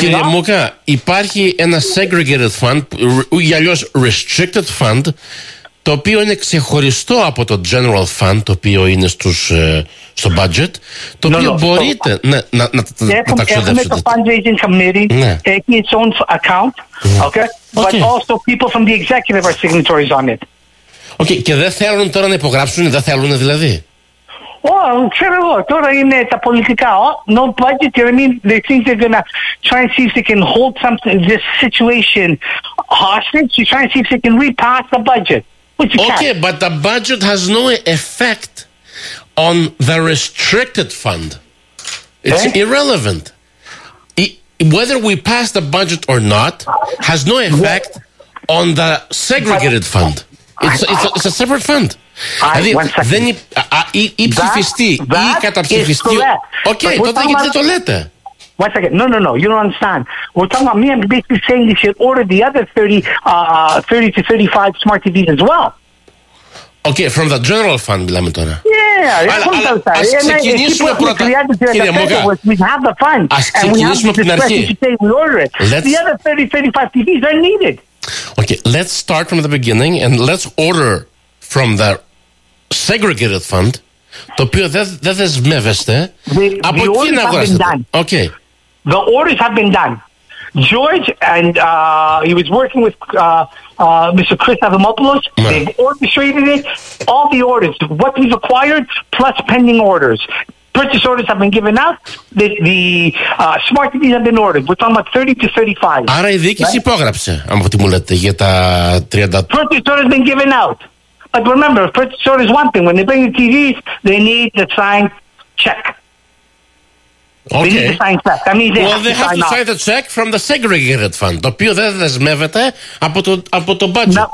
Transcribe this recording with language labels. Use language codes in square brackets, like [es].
[el] Κύριε Μούκα, υπάρχει ένα segregated fund, ή αλλιώς restricted fund, το οποίο είναι ξεχωριστό από το general fund, το οποίο είναι στο budget, το οποίο μπορείτε να τα ξοδεύσετε. Έχουμε [en] το fundraising committee taking its own account, okay? But also people from the executive are signatories on it. [el] Okay, και δεν θέλουν τώρα να υπογράψουν, δεν θέλουν δηλαδή. Ξέρω εγώ, τώρα είναι τα πολιτικά. [en] No budget, I mean, they think they're going to try and see if they can hold this situation hostage, to try and see if they can repass the budget. Okay, but the budget has no effect on the restricted fund. It's irrelevant. Whether we pass the budget or not has no effect on the segregated fund. It's a separate fund. Then [el] η ψηφιστή ή η καταψηφιστή. Okay, τότε γιατί δεν το λέτε. [en] One second. No. You don't understand. We're talking about me. I'm basically saying you should order the other 30 to 35 smart TVs as well. Οκ, okay, from the general fund [el] μιλάμε τώρα. Ναι, yeah, ξεκινήσουμε πρώτα. Κύριε Μόγκα, ας ξεκινήσουμε από την αρχή. [en] The other 30-35 TVs are needed. Okay, let's start from the beginning and let's order from the segregated fund, [el] το οποίο δεν δεσμεύεστε, από εκεί να αγοράσετε. [en] Okay. The orders have been done. George and he was working with Mr. Chris Avramopoulos. Yeah. They've orchestrated it. All the orders, what we've acquired, plus pending orders. Purchase orders have been given out. The smart TVs have been ordered. We're talking about 30 to 35. [el] Άρα η διοίκηση υπόγραψε, από τι μου λέτε, για τα 30. [en] Purchase orders have been given out. But remember, purchase orders is one thing. When they bring the TVs, they need the signed check. Okay. They need to sign check. I mean, they have to sign the check from the segregated fund, [el] το οποίο δεν δεσμεύεται από το [en] budget.